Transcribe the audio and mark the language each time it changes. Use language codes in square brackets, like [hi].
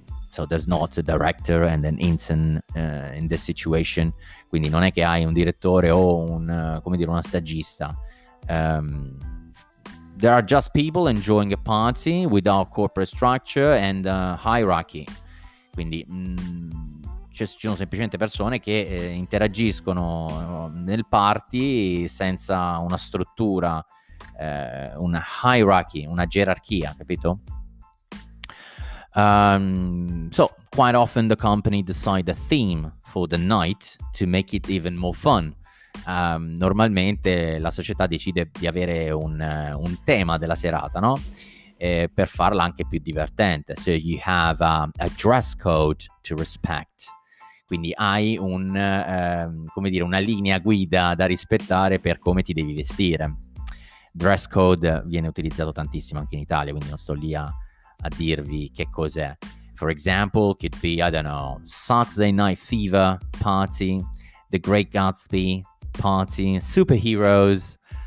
[en] So there's not a director and an intern in this situation. [it] Quindi non è che hai un direttore o una stagista. [en] There are just people enjoying a party without corporate structure and hierarchy. [it] Quindi ci sono semplicemente persone che interagiscono nel party senza una struttura, una hierarchy, una gerarchia, capito? [en] So quite often the company decide a theme for the night to make it even more fun. [it] Normalmente la società decide di avere un tema della serata, no? Per farla anche più divertente. [en] So you have a dress code to respect. [it] Quindi hai una linea guida da rispettare per come ti devi vestire. Dress code viene utilizzato tantissimo anche in Italia, quindi non sto lì a dirvi che cos'è. [en] For example, could be, I don't know, Saturday Night Fever party, The Great Gatsby party, superheroes.